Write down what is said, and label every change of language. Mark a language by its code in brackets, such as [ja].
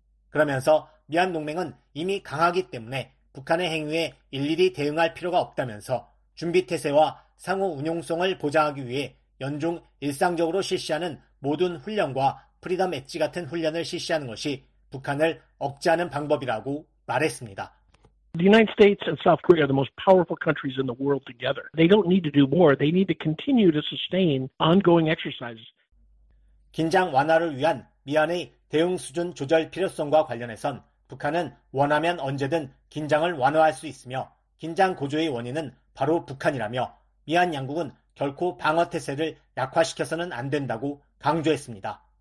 [ko] 그러면서 미한 동맹은 이미 강하기 때문에 북한의 행위에 일일이 대응할 필요가 없다면서 준비태세와 상호 운용성을 보장하기 위해 연중 일상적으로 실시하는 모든 훈련과 프리덤 엣지 같은 훈련을 실시하는 것이 북한을 억제하는 방법이라고 말했습니다. [en] The United States and South Korea are the most powerful countries in the world together. They don't need to do more. They need to continue to sustain ongoing exercises. [ko] 긴장 완화를 위한 미한의 대응 수준 조절 필요성과 관련해선 북한은 원하면 언제든 긴장을 완화할 수 있으며 긴장 고조의 원인은 바로 북한이라며 미한 양국은 결코 방어 태세를 약화시켜서는 안 된다고 강조했습니다.